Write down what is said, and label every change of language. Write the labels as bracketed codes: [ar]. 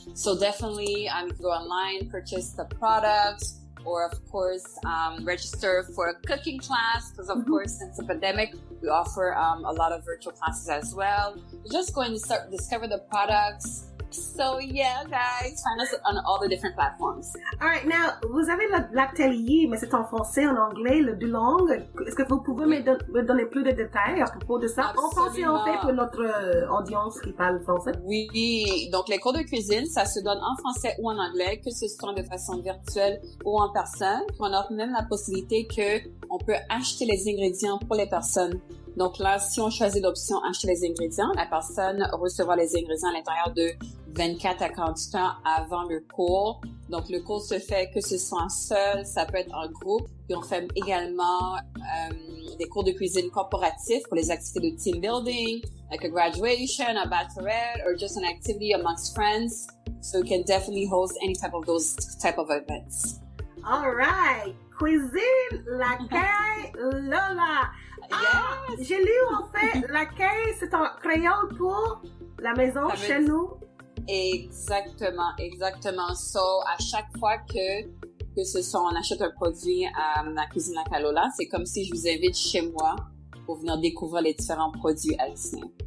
[en] So definitely go online, purchase the products. Or, of course, register for a cooking class. Because, of course, since the pandemic, we offer a lot of virtual classes as well. Just go and discover the products. So yeah, guys, find us on all the different platforms. All right, now [fr] vous avez l'atelier, mais c'est en français, en anglais, les deux langues. Est-ce que vous pouvez me donner plus de détails à propos de ça? Absolument. En français, en fait, pour notre audience qui parle français. Oui, donc les cours de cuisine, ça se donne en français ou en anglais, que ce soit de façon virtuelle ou en personne. On a même la possibilité qu'on peut acheter les ingrédients pour les personnes. Donc là, si on choisit l'option acheter les ingrédients, la personne recevra les ingrédients à l'intérieur de 24 à 48 heures avant le cours. Donc le cours se fait que ce soit seul, ça peut être en groupe. Puis on fait également des cours de cuisine corporatifs pour les activités de team building, [en] like a graduation, a bachelorette, or just an activity amongst friends. So you can definitely host any type of those type of events. All right. Cuisine, Lakay, Lola. Yes. [fr] Ah, j'ai lu en fait, Lakay, c'est un créole pour la maison chez nous. Exactement, exactement. So, à chaque fois que ce soit on achète un produit à la cuisine Lakay, Lola, c'est comme si je vous invite chez moi pour venir découvrir les différents produits haïtiens.